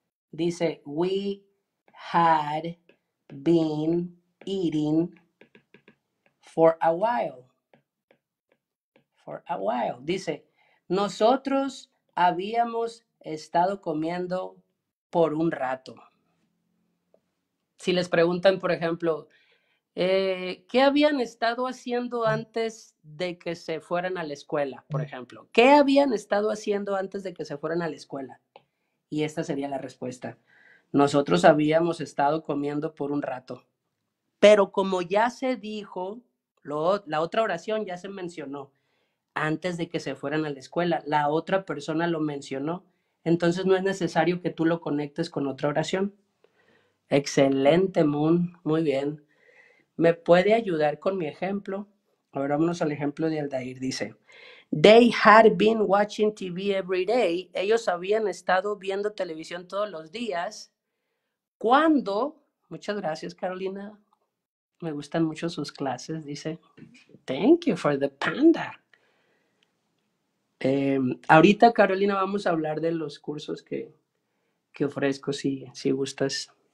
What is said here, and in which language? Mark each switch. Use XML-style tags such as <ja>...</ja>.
<es>Dice,</es> <en>we had been eating for a while. For a while.</en> <es>Dice, nosotros habíamos estado comiendo por un rato. Si les preguntan, por ejemplo, ¿qué habían estado haciendo antes de que se fueran a la escuela, por ejemplo? ¿Qué habían estado haciendo antes de que se fueran a la escuela? Y esta sería la respuesta. Nosotros habíamos estado comiendo por un rato. Pero como ya se dijo, la otra oración ya se mencionó antes de que se fueran a la escuela. La otra persona lo mencionó. Entonces no es necesario que tú lo conectes con otra oración. Excelente, Moon. Muy bien. ¿Me puede ayudar con mi ejemplo? A ver, vámonos al ejemplo de Aldair. Dice:</es> <en>They had been watching TV every day.</en> <es>Ellos habían estado viendo televisión todos los días. Cuando. Muchas gracias, Carolina. Me gustan mucho sus clases. Dice:</es> <en>Thank you for the panda.</en> <es>Ahorita, Carolina, vamos a hablar de los cursos que ofrezco, si gustas.</es>